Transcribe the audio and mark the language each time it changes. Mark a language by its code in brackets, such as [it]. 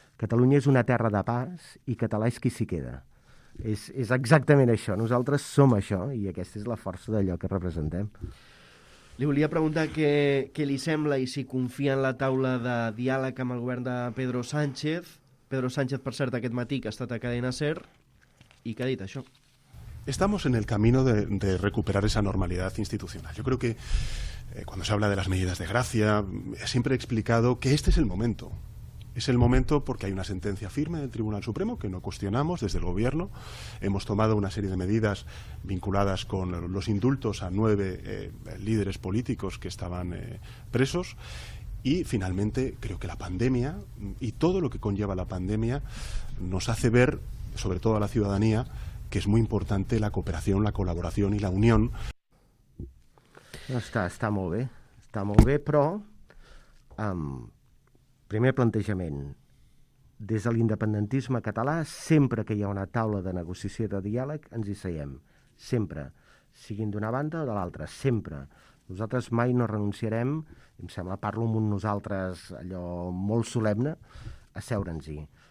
[ca] Catalunya és una terra de pas i català és qui s'hi queda. És exactament això. Nosaltres som això i aquesta és la força d'allò que representem. Li volia preguntar què li sembla i si confia en la taula de diàleg amb el govern de Pedro Sánchez. Pedro Sánchez, per cert, aquest matí que ha estat a Cadena SER i que ha dit això. [es] Estamos en el camino de recuperar esa normalidad institucional. Yo creo que cuando se habla de las medidas de gracia, siempre he explicado que este es el momento. Es el momento porque hay una sentencia firme del Tribunal Supremo que no cuestionamos desde el Gobierno. Hemos tomado una serie de medidas vinculadas con los indultos a 9 líderes políticos que estaban presos. Y, finalmente, creo que la pandemia y todo lo que conlleva la pandemia nos hace ver, sobre todo a la ciudadanía, que es muy importante la cooperación, la colaboración y la unión. [ca] Està molt bé. Està molt bé, però, primer plantejament, des de l'independentisme català, sempre que hi ha una taula de negociació de diàleg, ens hi seiem. Sempre. Siguin d'una banda o de l'altra. Sempre. Nosaltres mai no renunciarem, em sembla, parlo amb un nosaltres allò molt solemne, a seure'ns-hi.